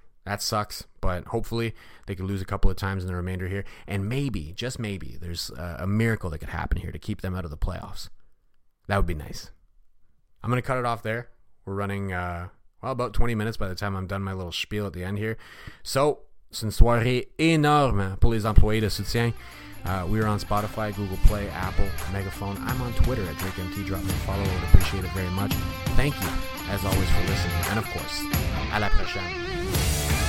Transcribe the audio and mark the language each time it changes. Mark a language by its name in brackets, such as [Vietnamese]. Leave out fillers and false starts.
[English] That sucks, but hopefully they can lose a couple of times in the remainder here. And maybe, just maybe, there's a miracle that could happen here to keep them out of the playoffs. That would be nice. I'm going to cut it off there. We're running, about 20 minutes by the time I'm done my little spiel at the end here. [French] So, c'est une soirée énorme pour les employés de soutien. [English] We are on Spotify, Google Play, Apple, Megaphone. I'm on Twitter at DrakeMT. Drop me a follow. I would appreciate it very much. Thank you, as always, for listening. And, of course, [French] à la prochaine.